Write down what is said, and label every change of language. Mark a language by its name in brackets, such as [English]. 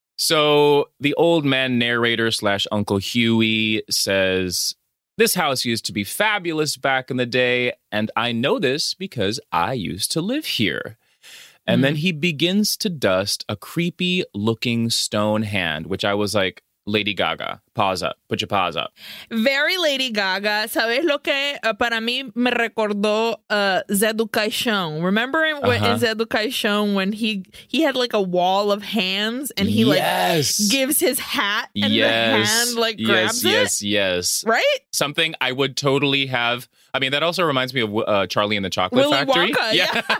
[English] So the old man narrator slash Uncle Huey says, "This house used to be fabulous back in the day. And I know this because I used to live here." And then he begins to dust a creepy looking stone hand, which I was like, Lady Gaga, pause up, put your paws up. Very Lady Gaga. [Spanish] ¿Sabes lo que para mí me recordó Zeducación? [English] Remember in Zeducación when he had like a wall of hands and he gives his hat and the hand like grabs it? Right? Something I would totally have. I mean, that also reminds me of Charlie and the Chocolate Factory. Willy Wonka, yeah.